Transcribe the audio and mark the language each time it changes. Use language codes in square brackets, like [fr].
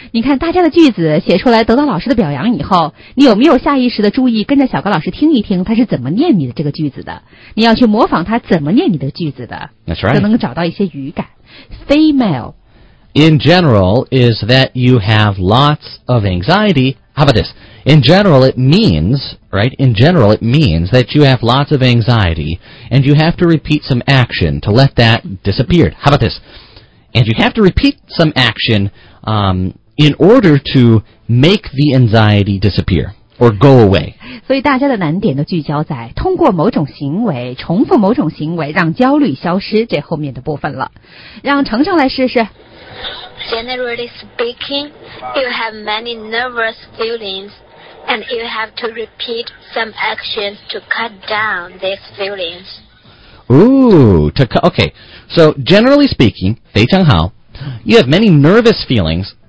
[zh] 你看大家的句子写出来得到老师的表扬以后你有没有下意识的注意跟着小高老师听一听他是怎么念你的这个句子的你要去模仿他怎么念你的句子的 [en] That's right. [zh] 就能找到一些语感 Female [en] In general is that you have lots of anxiety How about this? In general it means right? In general it means that you have lots of anxiety and you have to repeat some action to let that disappear How about this? And you have to repeat some actionin order to make the anxiety disappear or go away. [zh] 所以大家的难点都聚焦在通过某种行为重复某种行为让焦虑消失这后面的部分了。让程程来试试。 [en] Generally speaking, you have many nervous feelings and you have to repeat some actions to cut down these feelings. Okay. So generally speaking, [zh] 非常好, [en] you have many nervous feelings